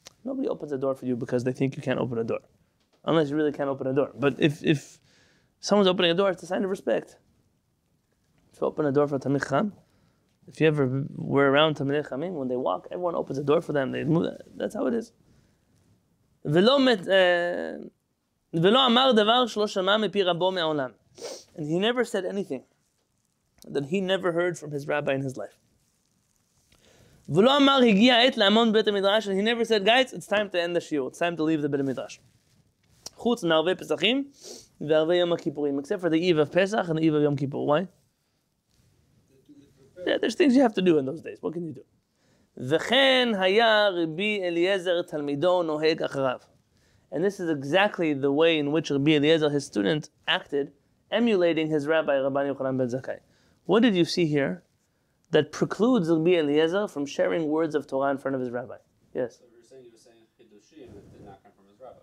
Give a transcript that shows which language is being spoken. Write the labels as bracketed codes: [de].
[en] Nobody opens a door for you because they think you can't open a door. Unless you really can't open a door. But if someone's opening a door, it's a sign of respect. If you open a door for Talmid Chacham, if you ever were around Talmidei Chachamim, when they walk, everyone opens a door for them. They move. That's how it is. [he] ולא אמר דבר שלא שמע מפי רבו מעולם. [en] And he never said anything that he never heard from his rabbi in his life. [he] ולא אמר הגיע עת להמון בית המדרש, [en] and he never said, guys, it's time to end the shiur, it's time to leave the בית המדרש. [he] חוץ מערבי פסחים וערבי יום הכיפורים, [en] except for the eve of Pesach and the eve of Yom Kippur. Why? Yeah, there's things you have to do in those days. What can you do? [he] וכן היה רבי אליעזר תלמידו נוהג אחריו. [en] And this is exactly the way in which Rabbi Eliezer, his student, acted, emulating his rabbi, Rabban Yochanan ben Zakkai. What did you see here that precludes Rabbi Eliezer from sharing words of Torah in front of his rabbi? Yes. So you're saying he was saying chidushim that did not come from his rabbi.